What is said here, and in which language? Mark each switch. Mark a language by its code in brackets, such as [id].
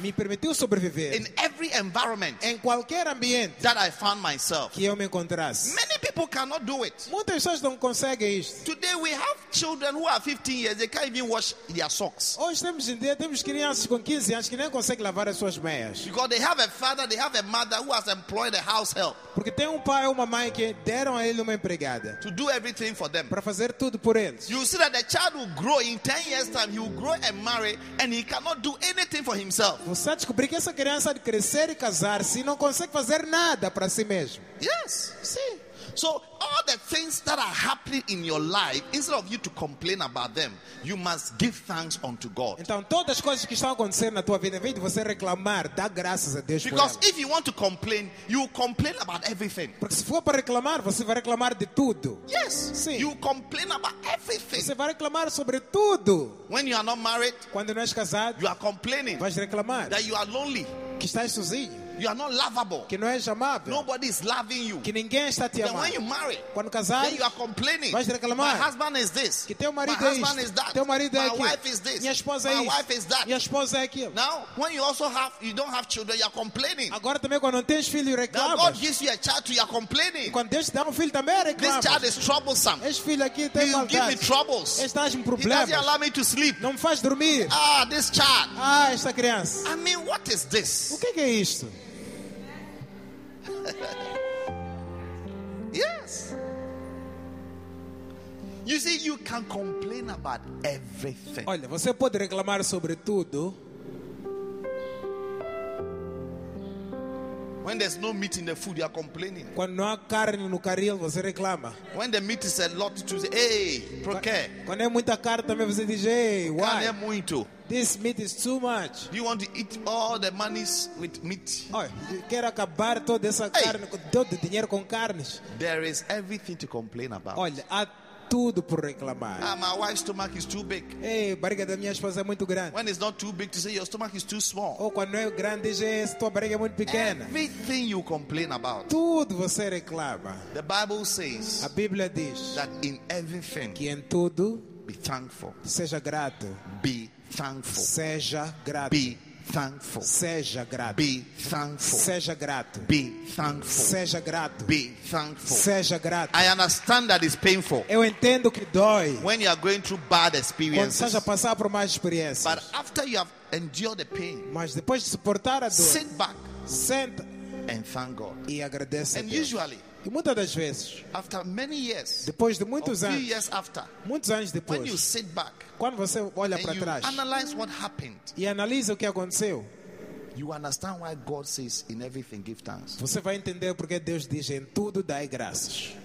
[pt] Me permitiu sobreviver. [en] In every environment. [pt] Em qualquer ambiente. [en] That I found myself. [pt] Que eu me encontrasse. [en] Many people cannot do it. [pt] Muitas pessoas não conseguem isto. [en] Today we have children who are 15 years. They can't even wash their socks. [pt] Hoje temos em dia temos crianças com 15 anos que nem conseguem lavar as suas meias. [en] Because they have a father, they have a mother who has employed a house help. [pt] Porque tem pai ou mãe que deram a ele uma empregada. [en] To do everything for them. [pt] Para fazer tudo por eles. [en] You see that the child will grow in 10 years time, he will grow and marry and he cannot do anything for himself. [pt] Você descobre que essa criança de crescer e casar se não consegue fazer nada para si mesmo. [en] Yes, see. So all the things that are happening in your life, instead of you to complain about them, you must give thanks unto God. [pt] Então todas as coisas que estão acontecendo na tua vida, em vez de você reclamar, dá graças a Deus. [en] Because if you want to complain, you complain about everything. [pt] Porque se for para reclamar, você vai reclamar de tudo. [en] Yes. [pt] Sim. [en] You complain about everything. [pt] Você vai reclamar sobre tudo. [en] When you are not married, [pt] quando não és casado, [en] you are complaining. [pt] Vais reclamar [en] that you are lonely. [pt] Que estás sozinho. [en] You are not lovable. [pt] Que não é amável. [en] Nobody is loving you. [pt] Que ninguém está te amando. [en] Then when you marry, [pt] quando casar, [en] then you are complaining. [pt] Vais reclamar. [en] My husband is this. [pt] Que teu marido [en] My husband [pt] é [en] is that. [pt] Teu marido [en] My [pt] é aquilo. [en] Wife is this. [pt] Minha esposa [en] My wife [pt] isso. [en] Is that. [pt] Minha esposa é aquilo. [en] Now, when you also have, you don't have children, you are complaining. [pt] Agora também quando não tens filho, reclamas. [en] Now God gives you a child, you are complaining. [pt] E quando Deus te dá filho também, reclamas. [en] This child is troublesome. [pt] Este filho aqui tem maldade. [en] He gives me troubles. [pt] Este traz-me problemas. [en] He doesn't allow me to sleep. [pt] Não me faz dormir. [en] Ah, this child. [pt] Ah, esta criança. [en] I mean, what is this? [pt] O que é isto? [en] Yes. You see, you can complain about everything. [pt] Olha, você pode reclamar sobre tudo. [en] When there's no meat in the food, you are complaining. [pt] Quando não há carne no caril, você reclama. [en] When the meat is a lot, you say, hey, [pt] por quê? Quando é muita carne, também você diz, hey, [en] why? [pt] Carne é muito. [en] This meat is too much. You want to eat all the money with meat? [pt] Oi, quer acabar toda essa carne, todo dinheiro com carnes? [en] There is everything to complain about. [pt] Olha, há tudo por reclamar. [en] Ah, my wife's stomach is too big. [pt] Ei, barriga da minha esposa é muito grande. [en] When it's not too big, to say your stomach is too small. [pt] Ou quando é grande, já é tua barriga é muito pequena. [en] Everything you complain about. [pt] Tudo você reclama. [en] The Bible says. [pt] A Bíblia diz. [en] That in everything. [pt] Que em tudo. [en] Be thankful. [pt] Seja grato. [en] Be thankful. [pt] Seja grato. [en] Be thankful. [pt] Seja grato. [en] Be thankful. [pt] Seja grato. [en] Be thankful. [pt] Seja grato. [en] Be thankful. [pt] Seja grato. [en] I understand that it's painful. [pt] Eu entendo que dói. [en] When you are going through bad experiences. [pt] Quando estás a passar por más experiências. [en] But after you have endured the pain. [pt] Mas depois de suportar a dor. [en] Sit back. [pt] Senta. [en] And thank God. [pt] E agradece [en] and [pt] a Deus. [en] Usually. [pt] E muitas das vezes. [en] After many years. [pt] Depois de muitos anos. [en] Few years after. [pt] Muitos anos depois. [en] When you sit back. [pt] Quando você olha para trás [en] analyze what happened, [pt] e analisa o que aconteceu, [en] you understand why God says in everything give thanks. [pt] Você vai entender porque Deus diz em tudo dai graças.